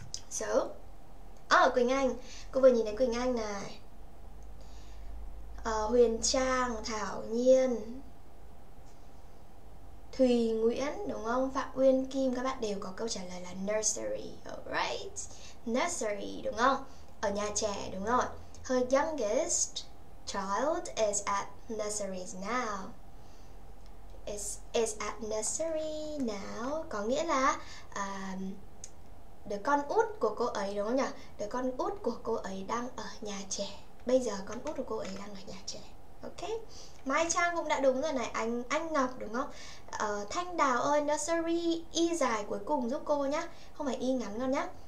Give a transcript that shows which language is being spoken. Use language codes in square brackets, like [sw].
[vi] So, Quỳnh Anh, cô vừa nhìn thấy Quỳnh Anh này. Huyền Trang, Thảo Nhiên, Thùy Nguyễn đúng không? Phạm Uyên Kim, các bạn đều có câu trả lời là nursery, alright, nursery đúng không? Ở nhà trẻ đúng rồi. [en] Her youngest child is at nursery now. Is at nursery now [vi] có nghĩa là đứa con út của cô ấy đúng không nhỉ? Đứa con út của cô ấy đang ở nhà trẻ. Bây giờ con út của cô ấy đang ở nhà trẻ. Ok. Mai Trang cũng đã đúng rồi này. Anh Ngọc đúng không? Thanh Đào ơi, nursery y dài cuối cùng giúp cô nhá. Không phải y ngắn đâu nhá.